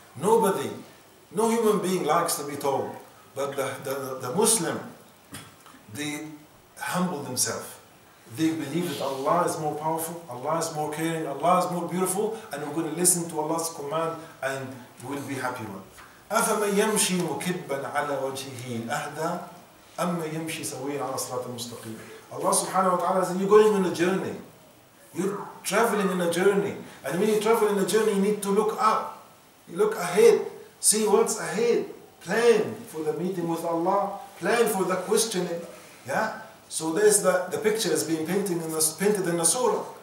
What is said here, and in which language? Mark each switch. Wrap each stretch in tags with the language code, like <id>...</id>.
<en>Nobody, no human being likes to be told. But the Muslim, they humble themselves. They believe that Allah is more powerful, Allah is more caring, Allah is more beautiful, and we're going to listen to Allah's command and we'll be happy one.</en> <ar>أَفَمَن يَمْشِي مُكِبًّا عَلَى وَجْهِهِ أَهْدَى. أما يمشي سويا على صراط المستقيم.</ar> <en>Allah subhanahu wa ta'ala says, you're going on a journey. You're traveling in a journey. And when you travel in a journey, you need to look up. You look ahead. See what's ahead. Plan for the meeting with Allah. Plan for the questioning. Yeah? So there's the picture is being painted in the surah.</en>